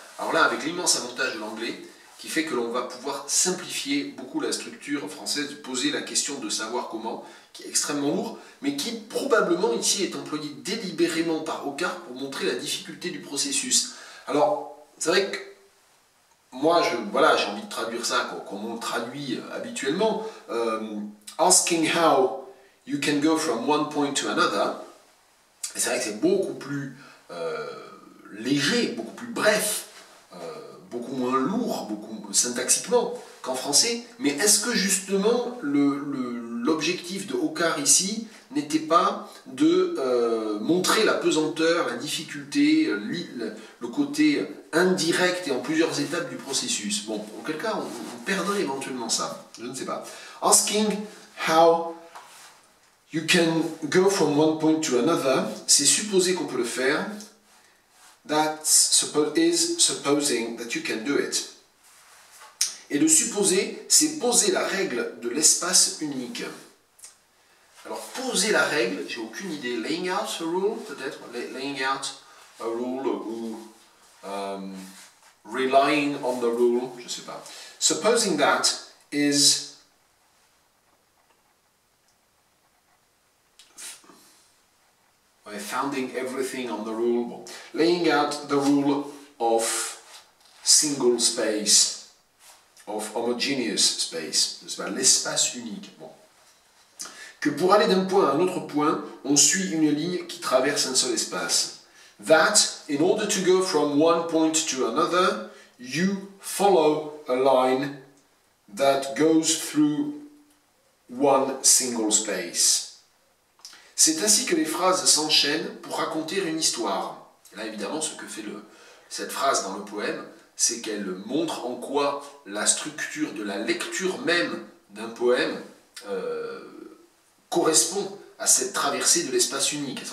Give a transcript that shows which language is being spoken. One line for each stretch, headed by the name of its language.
French: Alors là, avec l'immense avantage de l'anglais, qui fait que l'on va pouvoir simplifier beaucoup la structure française, poser la question de savoir comment, qui est extrêmement lourd, mais qui probablement ici est employé délibérément par Occart pour montrer la difficulté du processus. Alors, c'est vrai que moi, j'ai envie de traduire ça comme on le traduit habituellement.
English: Asking how you can go from one point to another.
French: C'est vrai que c'est beaucoup plus léger, beaucoup plus bref, beaucoup moins lourd, beaucoup syntaxiquement qu'en français. Mais est-ce que justement l'objectif de Occart ici n'était pas de montrer la pesanteur, la difficulté, le côté indirect et en plusieurs étapes du processus? Bon, auquel cas on perdrait éventuellement ça, je ne sais pas.
English: Asking how you can go from one point to another,
French: c'est supposer qu'on peut le faire.
English: That is supposing that you can do it.
French: Et le supposer, c'est poser la règle de l'espace unique. Alors, poser la règle, j'ai aucune idée.
English: Laying out a rule,
French: peut-être.
English: Laying out a rule ou relying on the rule,
French: je ne sais pas.
English: Supposing that is... founding everything on the rule, laying out the rule of single space, of homogeneous space,
French: l'espace unique.
English: Bon.
French: Que pour aller d'un point à un autre point, on suit une ligne qui traverse un seul espace.
English: That, in order to go from one point to another, you follow a line that goes through one single space.
French: C'est ainsi que les phrases s'enchaînent pour raconter une histoire. Là, évidemment, ce que fait cette phrase dans le poème, c'est qu'elle montre en quoi la structure de la lecture même d'un poème correspond à cette traversée de l'espace unique.